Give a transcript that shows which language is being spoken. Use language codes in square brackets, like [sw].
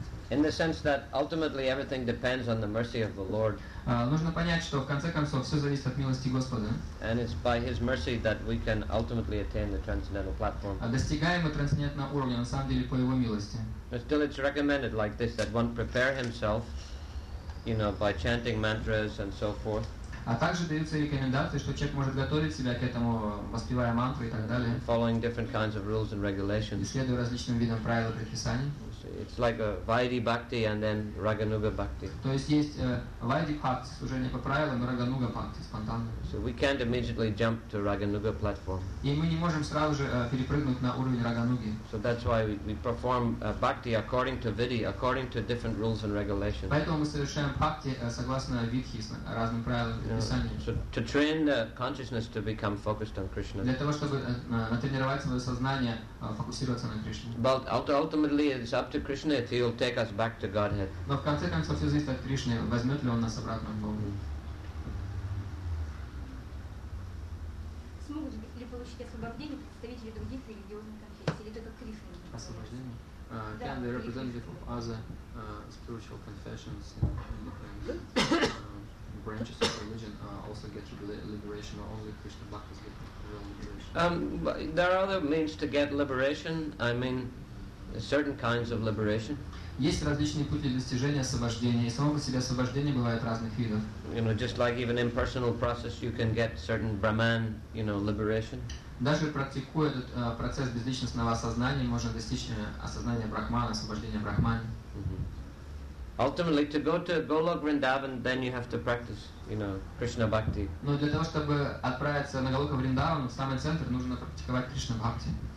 [en] In the sense that ultimately everything depends on the mercy of the Lord. [ru] Нужно понять, что в конце концов все зависит от милости Господа. [en] And it's by His mercy that we can ultimately attain the transcendental platform. [ru] А достигаем мы трансцендентного уровня на самом деле по Его милости. [en] But still, it's recommended like this that one prepare himself, you know, by chanting mantras and so forth. [ru] А также даются рекомендации, что человек может готовить себя к этому, воспевая мантры и так далее. [en] Following different kinds of rules and regulations. [ru] Исследуя различным видам правил и предписаний. [en] It's like a Vaidhi Bhakti and then Raganuga Bhakti. [ru] То есть есть Vaidhi Bhakti, служение по правилам, и Raganuga Bhakti, спонтанно. [en] So we can't immediately jump to Raganuga platform. [ru] И мы не можем сразу же перепрыгнуть на уровень Рагануги. [en] So that's why we perform Bhakti according to Vidhi, according to different rules and regulations. [ru] Поэтому мы совершаем Bhakti согласно Vidhi, с разным правилам и предписаниям. [en] So to train the consciousness to become focused on Krishna. [ru] Для того, чтобы натренировать свое сознание, фокусироваться на Кришне. [en] But ultimately it's up to Krishna if he'll take us back to Godhead. [ru] Но в конце концов все зависит от Кришны, возьмет ли он нас обратно к Богу. Смогут ли получить освобождение при представлении Господа Кришны других религиозных [en] Освобождение? Can the representative of other spiritual confessions in different branches of religion also get liberation, or only Krishna Bhaktas get real liberation? There are other means to get liberation. I mean, certain kinds of liberation. [ru] Есть различные пути достижения освобождения, и само по себе освобождение бывает разных видов. [en] You know, just like even impersonal process, you can get certain Brahman, you know, liberation. [ru] Даже практикуя этот процесс безличностного осознания, можно достичь осознания Брахмана, освобождения Брахмана. [en] Ultimately, to go to Golok Vrindavan, then you have to practice, you know, Krishna Bhakti. [ru] Но для того, чтобы отправиться на Голока Вриндаван, в самый центр, нужно практиковать Кришна Бхакти.